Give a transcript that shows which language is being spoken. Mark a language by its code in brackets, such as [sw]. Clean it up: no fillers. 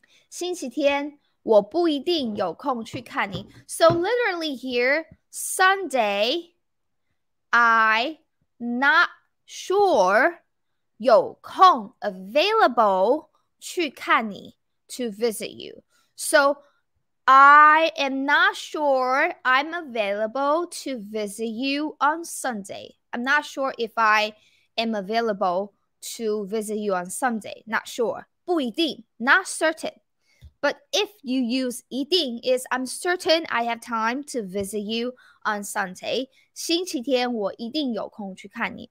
[zh] 星期天我不一定有空去看你。 [en] So literally here, Sunday, I'm not sure [zh] 有空 [en] available [zh] 去看你 [en] to visit you. So I am not sure I'm available to visit you on Sunday. I'm not sure if I am available to visit you on Sunday. Not sure. 不一定.Not certain. But if you use 一定, is I'm certain I have time to visit you on Sunday. [zh] 星期天我一定有空去看你.